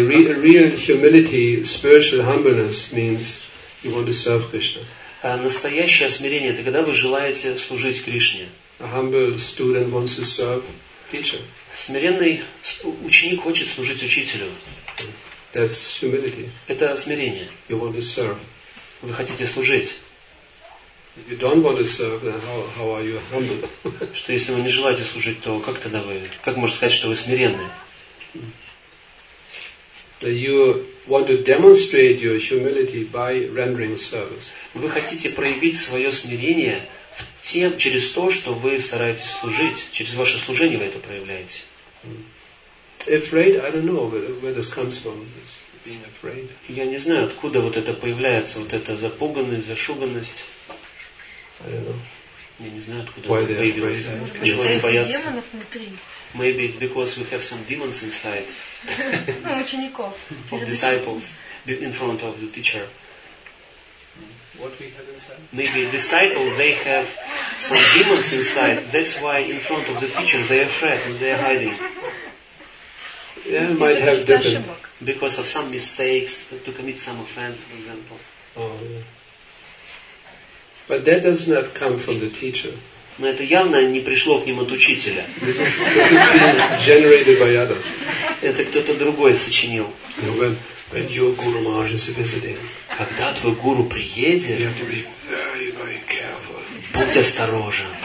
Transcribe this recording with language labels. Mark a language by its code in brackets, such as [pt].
[en] Real humility, spiritual humbleness means you want to serve Krishna. [ru] Настоящее смирение – это когда вы желаете служить Кришне. [en] A humble student wants to serve teacher. [ru] Смиренный ученик хочет служить учителю. [en] That's humility. [ru] Это смирение. [en] You want to serve. [ru] Вы хотите служить. [en] If you don't want to serve, then how are you humble? [ru] Что если вы не желаете служить, то как тогда вы, как можно сказать, что вы смиренный? [en] That you want to demonstrate your humility by rendering service. [ru] Вы хотите проявить свое смирение тем, через то, что вы стараетесь служить, через ваше служение вы это проявляете. [en] Afraid, I don't know where this comes from, this being afraid. [ru] Я не знаю, откуда вот это появляется, вот эта запуганность, зашуганность. [en] I don't know. [ru] Я не знаю, откуда это появилось. Почему они боятся? [en] Maybe it's because we have some demons inside. [ru] Ну, учеников. [en] Of disciples in front of the teacher. What we have inside? Maybe disciples, they have some demons inside. That's why in front of the teacher they are afraid and they are hiding. Yeah, might have different. Because of some mistakes, to commit some offense, for example. Oh, yeah. But that does not come from the teacher. [ru] Но это явно не пришло к ним от учителя. [en] Generated by others. [ru] Это кто-то другой сочинил. [en] When your guru Maharaj is visiting, [ru] когда твой гуру приедет, [en] you have to be very, very careful. [ru] Будь осторожен.